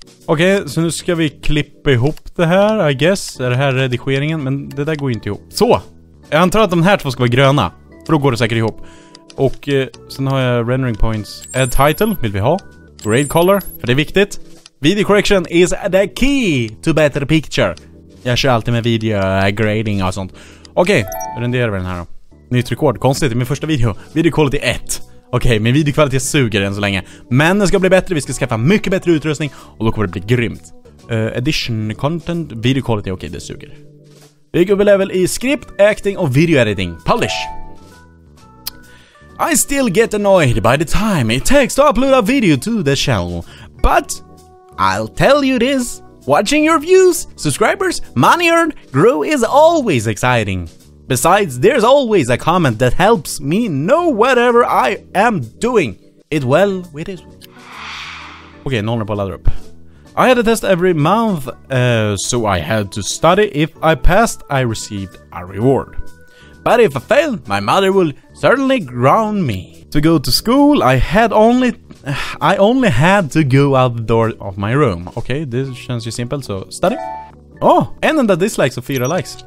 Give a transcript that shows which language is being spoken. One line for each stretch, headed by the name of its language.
Swedish: Okej, så nu ska vi klippa ihop det här, I guess. Är det här redigeringen? Men det där går inte ihop. Så! Jag antar att de här två ska vara gröna. För då går det säkert ihop. Och sen har jag rendering points. Add title vill vi ha. Grade color, för det är viktigt.
English: Video correction is the key to better picture.
Swedish: Jag kör alltid med video grading och sånt. Okej, renderar vi den här då. Nytt rekord, konstigt, min första video. Video quality 1. Okej, min videokvalitet suger än så länge. Men den ska bli bättre, vi ska skaffa mycket bättre utrustning. Och då kommer det bli grymt. Edition content, video quality, okej, det suger. Vi går på level i script, acting och video editing.
English: Polish. I still get annoyed by the time it takes to upload a video to the channel. But I'll tell you this. Watching your views, subscribers, money earned, grow is always exciting. Besides, there's always a comment that helps me know whatever I am doing it well with it. Okay, no more ladder up. I had a test every month, so I had to study. If I passed, I received a reward. But if I failed, my mother will certainly ground me. To go to school, I only had to go out the door of my room. Okay, this
Swedish: känns ju simpelt,
English: so study.
Swedish: Oh, en enda dislikes och 4 likes.